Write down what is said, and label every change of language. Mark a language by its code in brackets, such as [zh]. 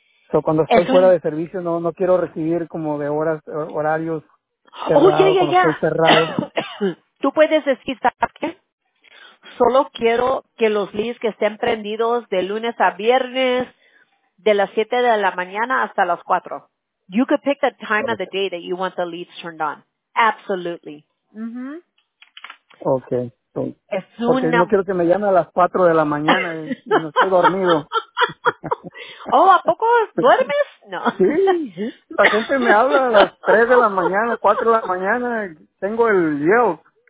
[es] So, cuando estoy fuera de servicio, no quiero recibir como de horas, horarios cerrados. Oh, ya. Estoy cerrado. Tú puedes decir, ¿sabes qué? Solo quiero que los leads que estén prendidos de lunes a viernes, de las 7 de la mañana hasta las 4. [en] You could pick the time of the day that you want the leads turned on. Absolutely. Mm-hmm. Okay. [es] No quiero que me llame a las 4 de la mañana y no estoy dormido. Oh, ¿a poco duermes? No. Sí, la gente me habla a las 3 de la mañana, 4 de la mañana, tengo el Yelp.